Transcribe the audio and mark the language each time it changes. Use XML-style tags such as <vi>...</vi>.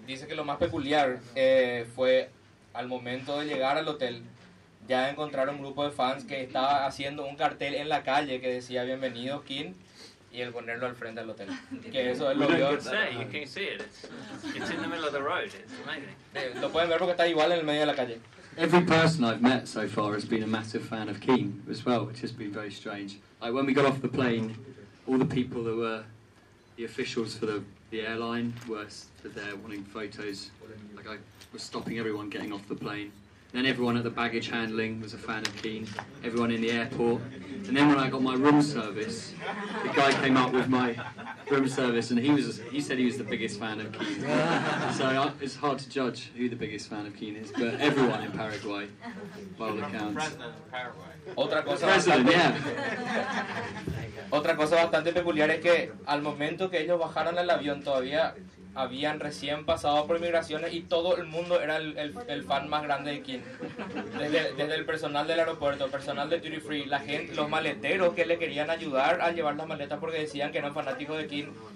<es>Dice que lo más peculiar fue al momento de llegar al hotel, ya encontrar un grupo de fans que estaba haciendo un cartel en la calle que decía "Bienvenido, King", y el ponerlo al frente del hotel. Que eso es lo peor.</es> <en>You can see it. It's in the middle of the road. It's amazing.</en> <es>Lo pueden ver porque está igual en el medio de la calle.</es> <en>Every person I've met so far has been a massive fan of Keane as well, which has been very strange. Like when we got off the plane, all the people that were the officials for the airline were there wanting photos. Like, I was stopping everyone getting off the plane. Then everyone at the baggage handling was a fan of Keane. Everyone in the airport. And then when I got my room service, the guy came up with my room service, and he said he was the biggest fan of Keane. So it's hard to judge who the biggest fan of Keane is, but everyone in Paraguay, by all accounts. President, yeah.</en> <es>Otra cosa bastante peculiar es que al momento que ellos bajaron el avión todavía habían recién pasado por inmigraciones y todo el mundo era el fan más grande de Keane. Desde el personal del aeropuerto, personal de Duty Free, la gente, los maleteros que le querían ayudar a llevar las maletas porque decían que eran fanáticos de Keane.</es>